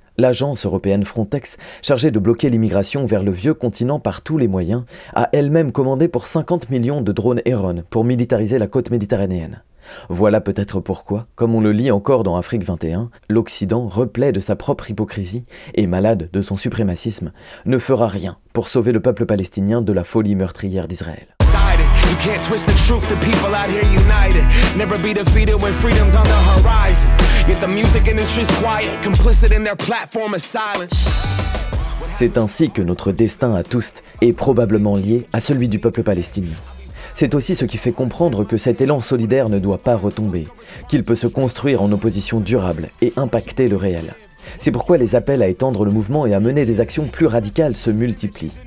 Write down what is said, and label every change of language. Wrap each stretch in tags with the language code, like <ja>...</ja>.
<fr>L'agence européenne Frontex, chargée de bloquer l'immigration vers le vieux continent par tous les moyens, a elle-même commandé pour 50 millions de drones Heron pour militariser la côte méditerranéenne. Voilà peut-être pourquoi, comme on le lit encore dans Afrique 21, l'Occident, replet de sa propre hypocrisie et malade de son suprémacisme, ne fera rien pour sauver le peuple palestinien de la folie meurtrière d'Israël.</fr> <en>You can't twist the truth, the people out here united. Never be defeated when freedom's on the horizon. Yet the music industry's quiet, complicit in their platform of silence.</en> <fr>C'est ainsi que notre destin à tous est probablement lié à celui du peuple palestinien. C'est aussi ce qui fait comprendre que cet élan solidaire ne doit pas retomber, qu'il peut se construire en opposition durable et impacter le réel. C'est pourquoi les appels à étendre le mouvement et à mener des actions plus radicales se multiplient.</fr>